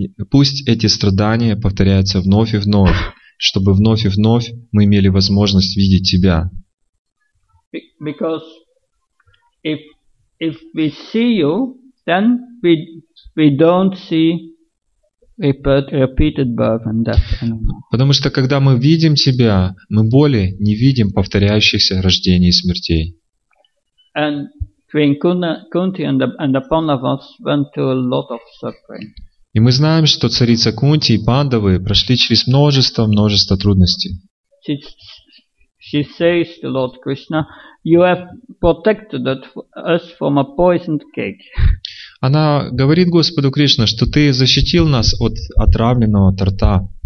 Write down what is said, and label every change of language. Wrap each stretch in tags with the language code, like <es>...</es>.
<ru>Пусть эти страдания повторяются вновь и вновь, чтобы вновь и вновь мы имели возможность видеть тебя.</ru> <en>Because if we see you, then we don't see repeated birth and death anymore.</en> <ru>Потому что когда мы видим тебя, мы более не видим повторяющихся рождений и смертей.</ru> <en>And Queen Kunti and the Pandavas went through a lot of suffering.</en> <ru>И мы знаем, что царица Кунти и Пандавы прошли через множество трудностей.</ru> <en>She says to Lord Krishna, "You have protected us from a poisoned cake."</en> <ru>Она говорит Господу Кришне, что ты защитил нас от отравленного торта.</ru>